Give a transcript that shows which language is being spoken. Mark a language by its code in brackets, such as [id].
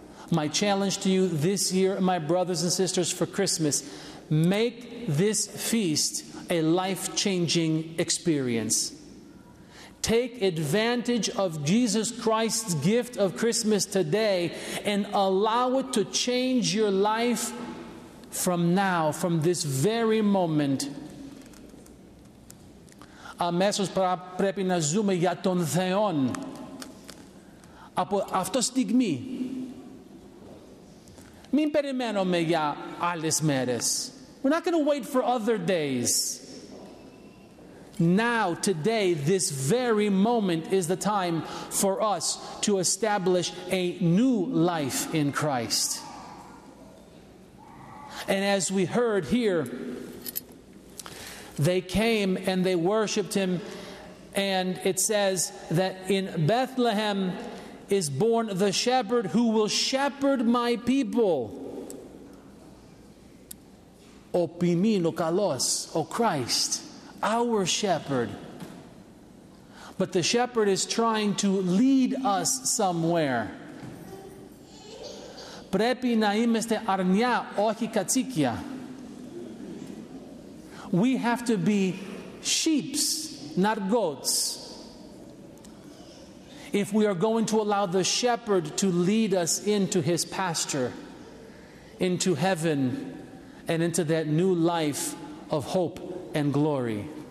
[en] My challenge to you this year, my brothers and sisters, for Christmas, make this feast a life-changing experience. Take advantage of Jesus Christ's gift of Christmas today and allow it to change your life from now, from this very moment. [el] Αμέσως πρέπει να ζούμε για τον Θεό. Από αυτή τη στιγμή. Μην περιμένουμε για άλλες μέρες. [en] We're not going to wait for other days. Now, today, this very moment is the time for us to establish a new life in Christ. And as we heard here, they came and they worshiped him. And it says that in Bethlehem is born the shepherd who will shepherd my people. [el] O Pimin, O Kalos, [en] O Christ, our shepherd. But the shepherd is trying to lead us somewhere. [el] Πρέπει να είμαστε αρνιά, όχι κατσίκια. [en] We have to be sheep, not goats, if we are going to allow the shepherd to lead us into his pasture, into heaven, and into that new life of hope and glory.